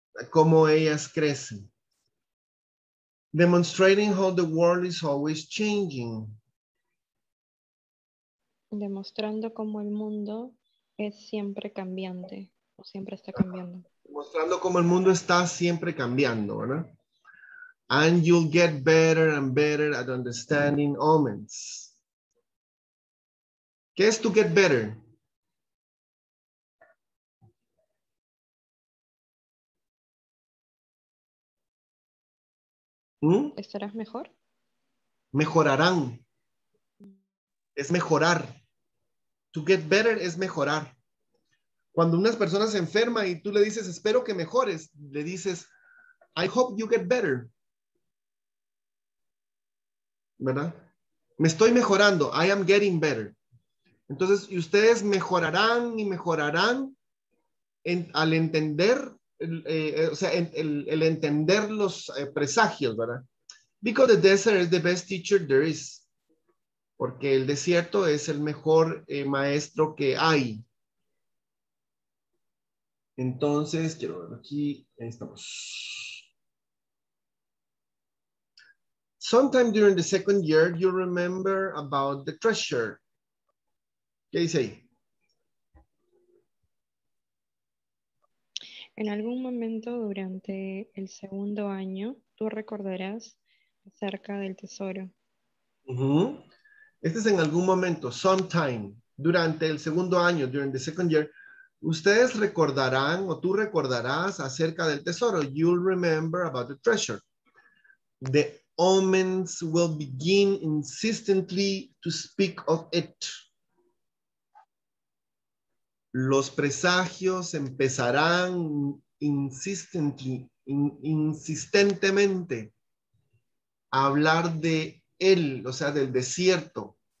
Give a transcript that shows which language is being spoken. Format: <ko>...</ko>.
<es>Como ellas crecen.</es> <en>Demonstrating how the world is always changing.</en> <es>Demostrando cómo el mundo es siempre cambiante, o siempre está cambiando. Demostrando cómo el mundo está siempre cambiando, ¿verdad?</es> <en>And you'll get better and better at understanding omens.</en> <es>¿Qué es</es> <en>to get better?</en> <es>¿Estarás mejor? Mejorarán. Es mejorar.</es> <en>To get better</en> <es>es mejorar. Cuando una persona se enferma y tú le dices, espero que mejores, le dices,</es> <en>I hope you get better.</en> <es>¿Verdad? Me estoy mejorando.</es> <en>I am getting better.</en> <es>Entonces, y ustedes mejorarán y mejorarán al entender, el entender los presagios, ¿verdad?</es> <en>Because the desert is the best teacher there is.</en> <es>Porque el desierto es el mejor maestro que hay. Entonces, quiero ver aquí, ahí estamos.</es> <en>Sometime during the second year, you remember about the treasure.</en> <es>¿Qué dice ahí? En algún momento durante el segundo año, tú recordarás acerca del tesoro. Este es en algún momento, sometime, durante el segundo año,</es> <en>during the second year,</en> <es>ustedes recordarán o tú recordarás acerca del tesoro.</es> <en>You'll remember about the treasure. The omens will begin insistently to speak of it.</en> <es>Los presagios empezarán insistentemente a hablar de él, o sea, del desierto.</es>